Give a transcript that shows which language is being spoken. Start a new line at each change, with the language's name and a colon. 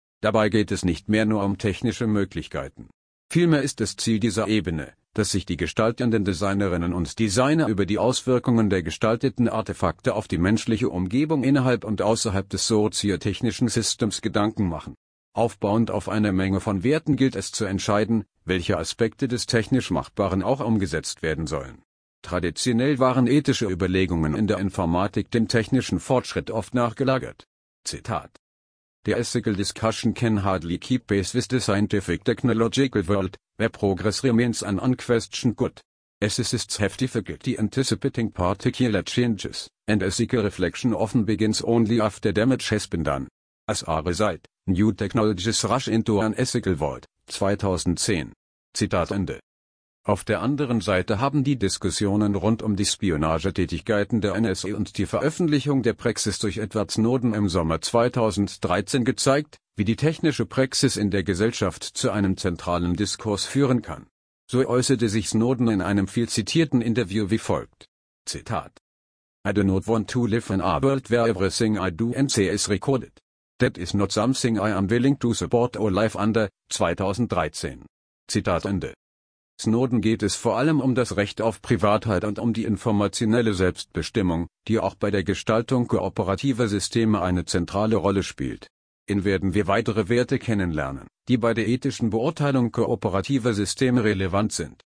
German: Dabei geht es nicht mehr nur um technische Möglichkeiten. Vielmehr ist das Ziel dieser Ebene, dass sich die gestaltenden Designerinnen und Designer über die Auswirkungen der gestalteten Artefakte auf die menschliche Umgebung innerhalb und außerhalb des soziotechnischen Systems Gedanken machen. Aufbauend auf einer Menge von Werten gilt es zu entscheiden, welche Aspekte des technisch Machbaren auch umgesetzt werden sollen. Traditionell waren ethische Überlegungen in der Informatik dem technischen Fortschritt oft nachgelagert. Zitat:
English: The ethical discussion can hardly keep pace with the scientific technological world, where progress remains an unquestioned good. Ethicists have difficulty anticipating particular changes, and ethical reflection often begins only after damage has been done. As a result, new technologies rush into an ethical world, 2010.
German: Zitat Ende. Auf der anderen Seite haben die Diskussionen rund um die Spionagetätigkeiten der NSA und die Veröffentlichung der Praxis durch Edward Snowden im Sommer 2013 gezeigt, wie die technische Praxis in der Gesellschaft zu einem zentralen Diskurs führen kann. So äußerte sich Snowden in einem viel zitierten Interview wie folgt. Zitat:
English: I do not want to live in a world where everything I do and say is recorded. That is not something I am willing to support or live under, 2013.
German: Zitat Ende. Snowden geht es vor allem um das Recht auf Privatheit und um die informationelle Selbstbestimmung, die auch bei der Gestaltung kooperativer Systeme eine zentrale Rolle spielt. In werden wir weitere Werte kennenlernen, die bei der ethischen Beurteilung kooperativer Systeme relevant sind.